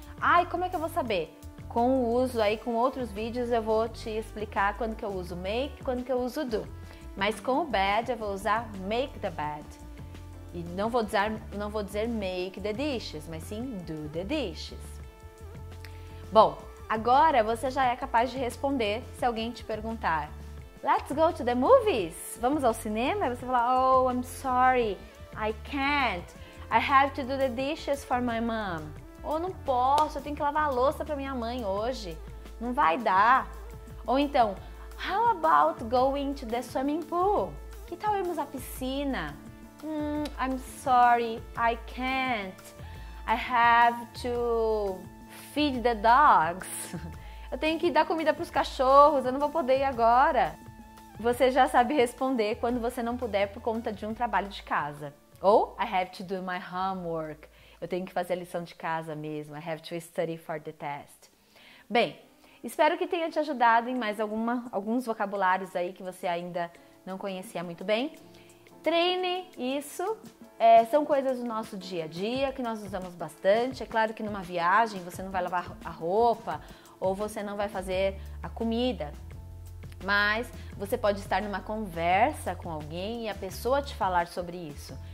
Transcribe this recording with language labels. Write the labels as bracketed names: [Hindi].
[Portuguese] Ai, como é que eu vou saber? Com o uso aí, com outros vídeos, eu vou te explicar quando que eu uso make e quando que eu uso do. Mas com o bed, eu vou usar [English] make the bed. [Portuguese] E não vou dizer [English] make the dishes, [Portuguese] mas sim [English] do the dishes. [Portuguese] Bom, agora você já é capaz de responder se alguém te perguntar: [English] let's go to the movies? [Portuguese] Vamos ao cinema? Você fala: [English] oh, I'm sorry, I can't. I have to do the dishes for my mom. [Portuguese] Ou não posso, eu tenho que lavar a louça para minha mãe hoje. Não vai dar. Ou então: [English] how about going to the swimming pool? [Portuguese] Que tal irmos à piscina? [English] I'm sorry, I can't. I have to feed the dogs. [Portuguese] Eu tenho que dar comida para os cachorros, eu não vou poder ir agora. Você já sabe responder quando você não puder por conta de um trabalho de casa. [English] Ou: I have to do my homework. [Portuguese] Eu tenho que fazer a lição de casa mesmo. [English] I have to study for the test. [Portuguese] Bem, espero que tenha te ajudado em mais alguns vocabulários aí que você ainda não conhecia muito bem. Treine isso, são coisas do nosso dia a dia que nós usamos bastante. É claro que numa viagem você não vai lavar a roupa ou você não vai fazer a comida, mas você pode estar numa conversa com alguém e a pessoa te falar sobre isso.